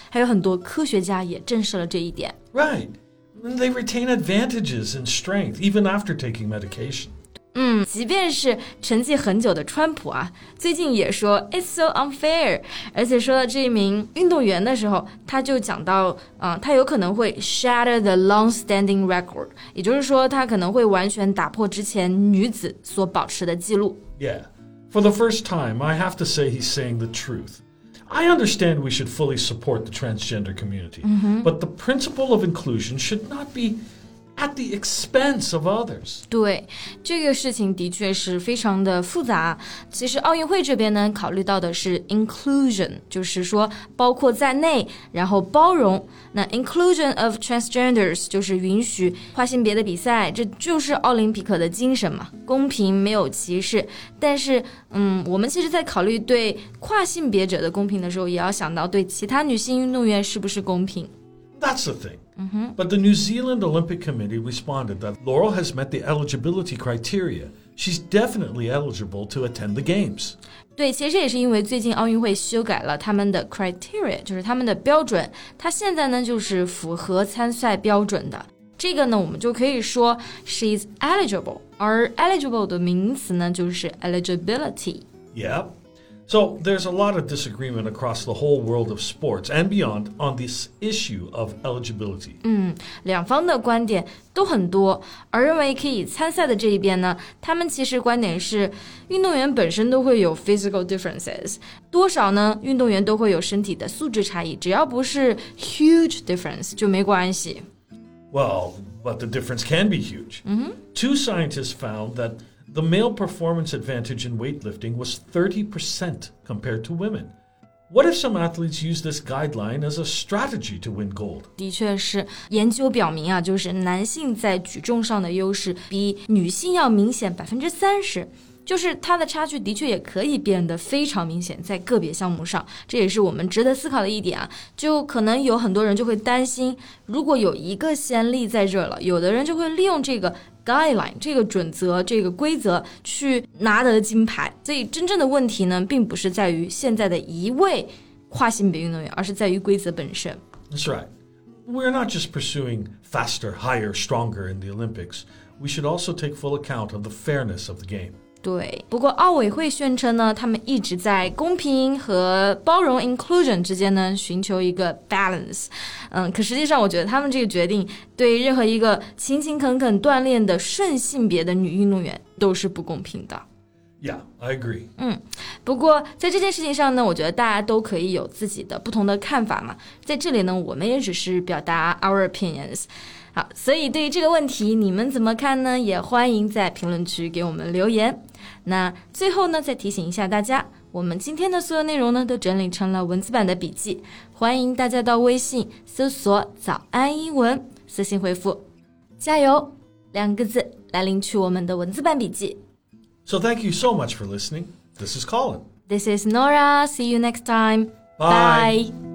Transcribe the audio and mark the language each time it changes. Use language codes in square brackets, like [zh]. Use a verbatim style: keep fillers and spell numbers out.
[zh] 还有很多科学家也证实了这一点。 [en] Right.They retain advantages in strength even after taking medication. [zh] 嗯，即便是沉寂很久的川普啊，最近也说 [en] It's so unfair， [zh] 而且说到这一名运动员的时候，他就讲到、呃、他有可能会 [en] shatter the long-standing record， [zh] 也就是说他可能会完全打破之前女子所保持的记录。 [en] Yeah, for the first time, I have to say he's saying the truth. I understand we should fully support the transgender community, mm-hmm. but the principle of inclusion should not be at the expense of others. [zh] 对，这个事情的确是非常的复杂。其实奥运会这边呢，考虑到的是 inclusion， 就是说包括在内，然后包容。那 [en] inclusion of transgenders [zh] 就是允许跨性别的比赛，这就是奥林匹克的精神嘛，公平没有歧视。但是，嗯，我们其实在考虑对跨性别者的公平的时候，也要想到对其他女性运动员是不是公平。 [en] That's the thing. Mm-hmm. But the New Zealand Olympic Committee responded that Laurel has met the eligibility criteria. She's definitely eligible to attend the games. [zh] 对，其实也是因为最近奥运会修改了他们的 criteria， 就是他们的标准。它现在呢就是符合参赛标准的。这个呢我们就可以说 [en] she's eligible， [zh] 而 eligible 的名词呢就是 eligibility. [en] Yep. So there's a lot of disagreement across the whole world of sports and beyond on this issue of eligibility. [zh] 嗯，两方的观点都很多，而认为可以参赛的这一边呢，他们其实观点是，运动员本身都会有 [en] physical differences， [zh] 多少呢，运动员都会有身体的素质差异，只要不是 [en] huge difference [zh] 就没关系。 [en] Well, but the difference can be huge. Mm-hmm. Two scientists found that the male performance advantage in weightlifting was thirty percent compared to women. What if some athletes use this guideline as a strategy to win gold? [zh] 的确是，研究表明啊，就是男性在举重上的优势比女性要明显 百分之三十， 就是它的差距的确也可以变得非常明显在个别项目上，这也是我们值得思考的一点啊。就可能有很多人就会担心，如果有一个先例在这了，有的人就会利用这个guideline 这个准则这个规则去拿得金牌，所以真正的问题呢并不是在于现在的一位跨性别运动员，而是在于规则本身。 [en] That's right. We're not just pursuing faster, higher, stronger in the Olympics. We should also take full account of the fairness of the game. [zh] 对，不过奥委会宣称呢，他们一直在公平和包容 inclusion 之间呢寻求一个 balance。嗯，可实际上我觉得他们这个决定对任何一个勤勤恳恳锻炼的顺性别的女运动员都是不公平的。 [en] Yeah, I agree. [zh] 嗯，不过在这件事情上呢，我觉得大家都可以有自己的不同的看法嘛。在这里呢，我们也只是表达 [en] our opinions。 [zh] 好，所以对于这个问题你们怎么看呢？也欢迎在评论区给我们留言。那最后呢，再提醒一下大家，我们今天的所有内容呢都整理成了文字版的笔记，欢迎大家到微信搜索早安英文，私信回复加油两个字来领取我们的文字版笔记。 [en] So thank you so much for listening. This is Colin. This is Nora. See you next time. Bye. Bye.